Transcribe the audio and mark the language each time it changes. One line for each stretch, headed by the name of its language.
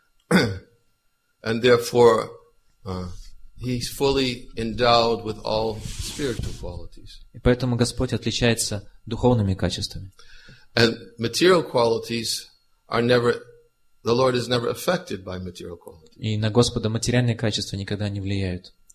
English: And therefore, he's fully endowed with all spiritual qualities.
Russian: И поэтому Господь отличается духовными качествами.
English: And material qualities are never, the Lord is never affected by material qualities.
Russian: И на Господа материальные качества никогда не влияют.